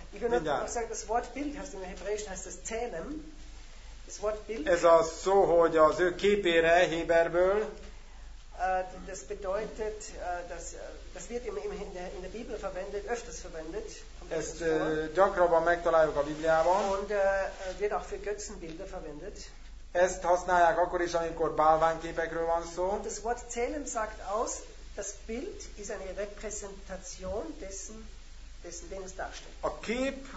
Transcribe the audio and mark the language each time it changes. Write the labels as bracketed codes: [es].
[de] Ich würde noch sagen, das Wort Bild, hast du im Hebräischen heißt das Zählen. Das Wort Bild. [hu] Ez az szó, hogy az ő képére, Héberből. [de] Das bedeutet, dass das wird in der Bibel verwendet, öfters verwendet. [hu] Ezt gyakrabban megtaláljuk a Bibliában. [de] Und wird auch für Götzenbilder verwendet. [hu] Ezt használják akkor is, amikor bálványképekről van szó. [de] Und das Wort Zählen sagt aus, das Bild ist eine Repräsentation dessen, den es darstellt.